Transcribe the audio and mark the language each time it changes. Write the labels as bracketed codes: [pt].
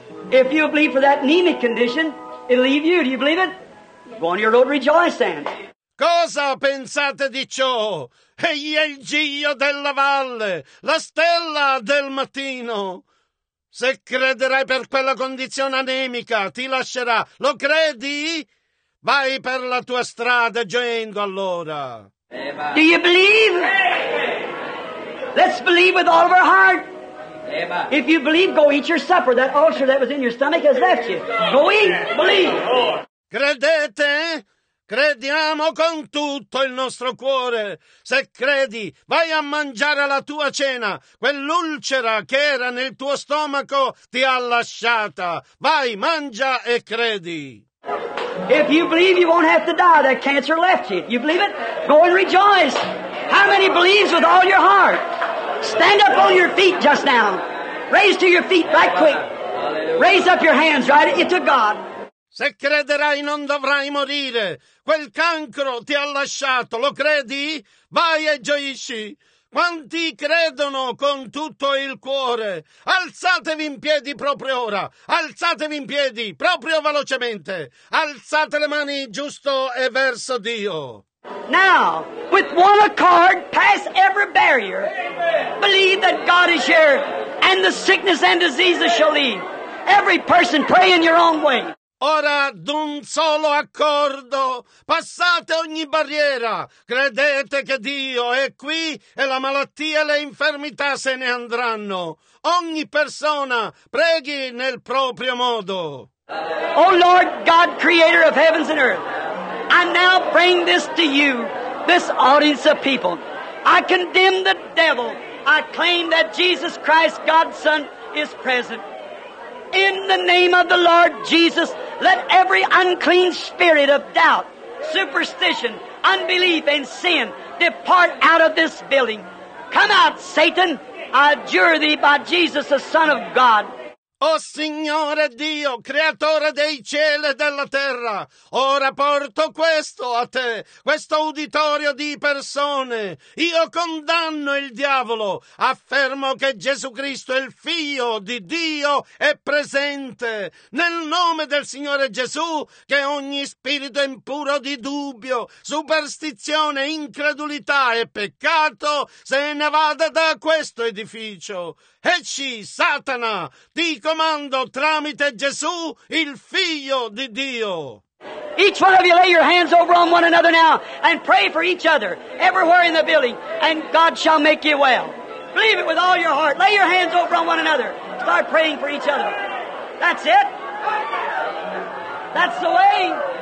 [en] If you believe for that anemic condition, it'll leave you. Do you believe it? Go on your road, rejoice then. [it] Cosa pensate di ciò? Egli è il giglio della valle, la stella del mattino. Se crederai per quella condizione anemica, ti lascerà. Lo credi? Vai per la tua strada gioendo allora. [en] Do you believe? Let's believe with all of our heart. If you believe, go eat your supper. That ulcer that was in your stomach has left you. Go eat, believe. [it] Credete? Crediamo con tutto il nostro cuore. Se credi, vai a mangiare la tua cena. Quell'ulcera che era nel tuo stomaco ti ha lasciata. Vai, mangia e credi. [en] If you believe, you won't have to die. That cancer left you. You believe it? Go and rejoice. How many believes with all your heart? Stand up on your feet just now. Raise to your feet right quick. Raise up your hands right into God. [it] Se crederai non dovrai morire. Quel cancro ti ha lasciato. Lo credi? Vai e gioisci. Quanti credono con tutto il cuore? Alzatevi in piedi proprio ora. Alzatevi in piedi proprio velocemente. Alzate le mani giusto e verso Dio. [en] Now, with one accord, pass every barrier. Believe that God is here and the sickness and diseases shall leave. Every person pray in your own way. [it] Ora, d'un solo accordo, passate ogni barriera. Credete che Dio è qui e la malattia e le infermità se ne andranno. Ogni persona preghi nel proprio modo. [en] O Lord God, creator of heavens and earth, I now bring this to you, this audience of people. I condemn the devil. I claim that Jesus Christ, God's Son, is present. In the name of the Lord Jesus, let every unclean spirit of doubt, superstition, unbelief, and sin depart out of this building. Come out, Satan. I adjure thee by Jesus, the Son of God. [it] O Signore Dio, creatore dei cieli e della terra, ora porto questo a te, questo uditorio di persone. Io condanno il diavolo, affermo che Gesù Cristo, il Figlio di Dio, è presente. Nel nome del Signore Gesù, che ogni spirito impuro di dubbio, superstizione, incredulità e peccato se ne vada da questo edificio. Ecci, Satana, ti comando tramite Gesù, il Figlio di Dio. [en] Each one of you lay your hands over on one another now and pray for each other everywhere in the building and God shall make you well. Believe it with all your heart. Lay your hands over on one another. Start praying for each other. That's it. That's the way.